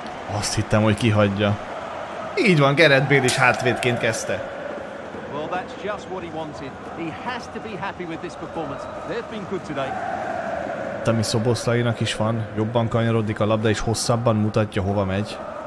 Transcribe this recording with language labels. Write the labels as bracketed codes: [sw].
[hu] Azt hittem, hogy kihagyja. Így van, Gerard Bale is hátvédként kezdte. [en] Well, that's just what he wanted. He has to be happy with this performance. They've been good today. [hu] Ami Szoboszlainak is van, jobban kanyarodik a labda, és hosszabban mutatja, hova megy.